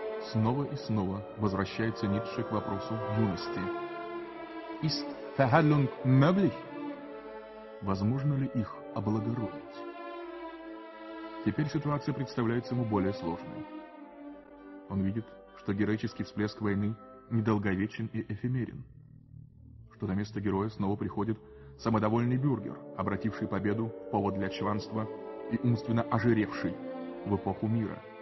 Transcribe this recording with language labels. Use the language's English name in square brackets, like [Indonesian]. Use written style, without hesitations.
[Russian] Снова и снова возвращается Ницше к вопросу юности. [German] Ist Verheilung möglich? [Russian] Возможно ли их облагородить? Теперь ситуация представляется ему более сложной. Он видит, что героический всплеск войны недолговечен и эфемерен, что на место героя снова приходит самодовольный бюргер, обративший победу в повод для чванства и умственно ожиревший в эпоху мира.